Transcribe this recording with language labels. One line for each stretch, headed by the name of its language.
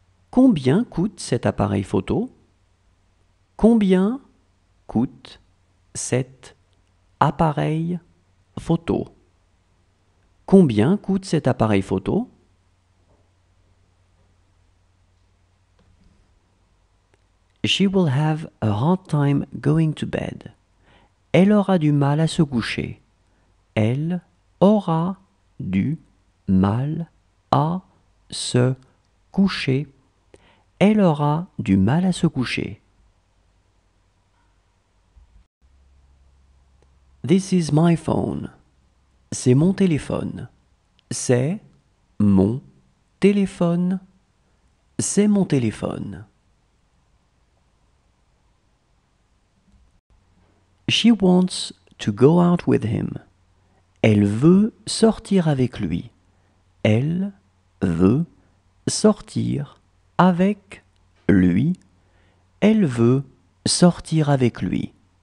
French: Combien coûte cet appareil photo? Combien coûte cet appareil photo? Combien coûte cet appareil photo?
English: She will have a hard time going to bed.
French: Elle aura du mal à se coucher. Elle aura du mal à se coucher. Elle aura du mal à se coucher.
English: This is my phone.
French: C'est mon téléphone. C'est mon téléphone. C'est mon téléphone.
English: She wants to go out with him.
French: Elle veut sortir avec lui. Elle veut sortir avec lui. Elle veut sortir avec lui.